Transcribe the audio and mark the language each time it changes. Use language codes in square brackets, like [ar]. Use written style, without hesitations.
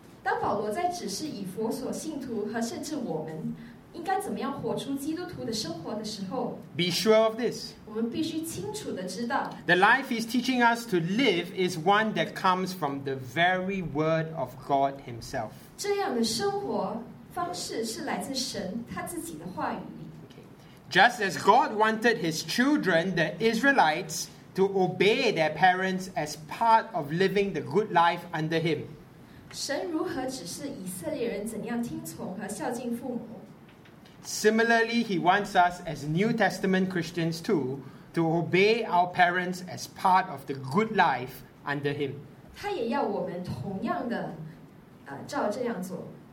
[zh] 当保罗在指示以弗所信徒和甚至我们应该怎么样活出基督徒的生活的时候, [en] be sure of this. [zh] 我们必须清楚地知道, [en] the life he's teaching us to live is one that comes from the very word of God himself. [zh] 这样的生活方式是来自神他自己的话语。 [en] Just as God wanted his children, the Israelites, to obey their parents as part of living the good life under him. [zh] 神如何指示以色列人怎样听从和孝敬父母？ [en] Similarly, he wants us as New Testament Christians too to obey our parents as part of the good life under him. [zh] 他也要我们同样的照这样做。